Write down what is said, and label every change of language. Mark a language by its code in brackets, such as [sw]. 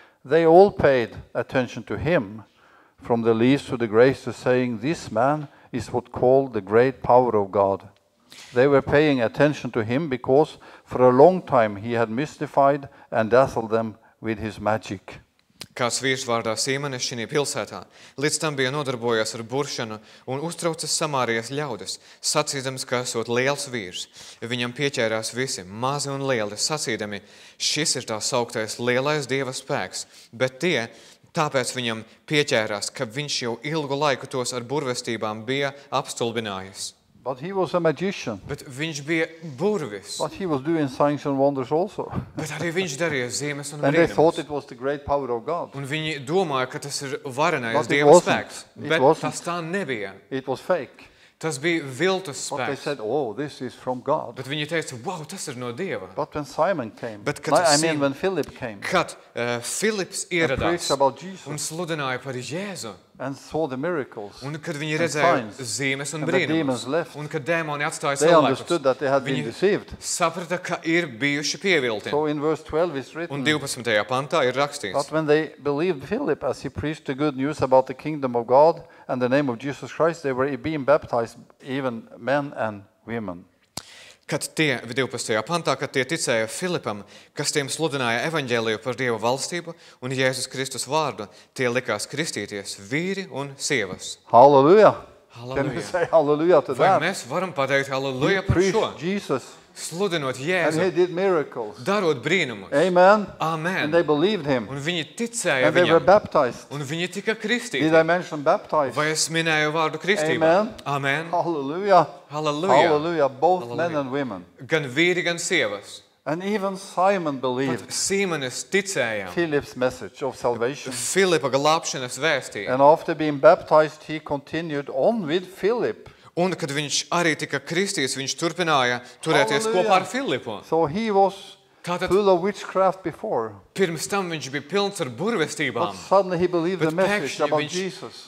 [en] They all paid attention to him, from the least to the greatest, saying, "This man is what called the great power of God." They were paying attention to him because for a long time he had mystified and dazzled them with his magic. [lv] Kāds vīrs vārdā Sīmanis šinī pilsētā, līdz tam bija nodarbojies ar buršanu un uztraucas Samārijas ļaudis, sacīdams, ka esot liels vīrs. Viņam pieķērās visi, mazi un lieli, sacīdami, šis ir tās augtais lielais dieva spēks, bet tie, tāpēc viņam pieķērās, ka viņš jau ilgu laiku tos ar burvestībām bija apstulbinājis. [en] But he was a magician. [lv] Bet viņš bija burvis. [en] But he was doing signs and wonders also. [lv] Bet arī viņš darīja zīmes un brīnumus. [en] And they thought it was the great power of God. [lv] Un viņi domāja, ka tas ir varenais Dieva spēks. Bet tas tā nebija. [en] It was fake. [lv] Tas bija viltus spēks. [en] But they said, "Oh, this is from God." [lv] Bet viņi teica, "Wow, tas ir no Dieva." [en] But when Simon came, [lv] Bet kad [en] when Philip came, [lv] kad Philips ieradās [en] and preached about Jesus, [lv] un sludināja par Jēzu, [en] and saw the miracles, [lv] un kad viņi redzēja zīmes un brīnumus, [en] and the demons left, [lv] un kad dēmoni atstāja cilvēkus, [en] they understood that they had been deceived. [lv] Viņi saprata, ka ir bijuši pievilti. [en] So in verse 12 is written, [lv] un 12. Pantā ir rakstīts, [en] but when they believed Philip as he preached the good news about the kingdom of God, and the name of Jesus Christ, they were being baptized, even men and women. [lv] Kad tie, 12. Pantā, kad tie ticēja Filipam, kas tiem sludināja evaņģēliju par Dieva valstību un Jēzus Kristus vārdu, tie likās kristīties vīri un sievas. [en] Hallelujah! [lv] Hallelujah. [en] Can we say hallelujah to that? [lv] Vai mēs varam pateikt hallelujah par šo? [en] Jesus. [lv] Sludinot Jēzu. [en] And he did miracles. [lv] Darot brīnumus. [en] Amen. [lv] Amen. [en] And they believed him. [lv] Un viņi ticēja viņam. [en] And they were baptized. [lv] Un viņi tika kristīti. [en] Did I mention baptized? [lv] Vai es minēju vārdu kristība? [en] Amen. [lv] Amen. [en] Hallelujah. [lv] Hallelujah. [en] Hallelujah. Both Hallelujah. Men and women. [lv] Gan vīri, gan sievas. [en] And even Simon believed. [lv] Pat Sīmanis ticēja. [en] Philip's message of salvation. [lv] Filipa glābšanas vēstī. [en] And after being baptized, he continued on with Philip. [lv] Un kad viņš arī tika kristīts, viņš turpināja turēties kopā ar Filipu. [en] So he was full of witchcraft before. [lv] Pirms tam viņš bija pilns ar burvestībām. [en] But suddenly he believed the message about Jesus.